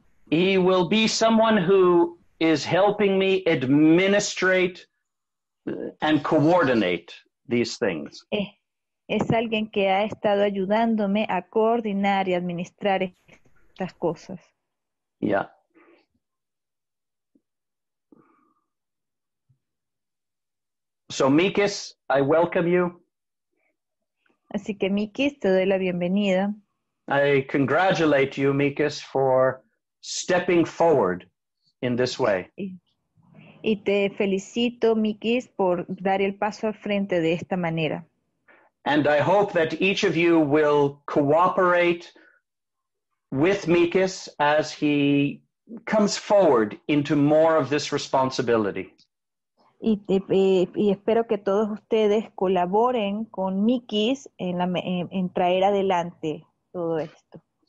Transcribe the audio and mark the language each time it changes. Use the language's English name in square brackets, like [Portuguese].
[English] He will be someone who is helping me administrate and coordinate these things. [Spanish] Es alguien que ha estado ayudándome a coordinar y administrar estas cosas. [English] Yeah. So, Mikis, I welcome you. [Spanish] Así que, Mikis, te doy la bienvenida. [English] I congratulate you, Mikis, for stepping forward in this way. [Spanish] Y te felicito, Mikis, por dar el paso al frente de esta manera. [English] And I hope that each of you will cooperate with Mikis as he comes forward into more of this responsibility. [Spanish] Y espero que todos ustedes colaboren con Mikis en traer adelante todo esto.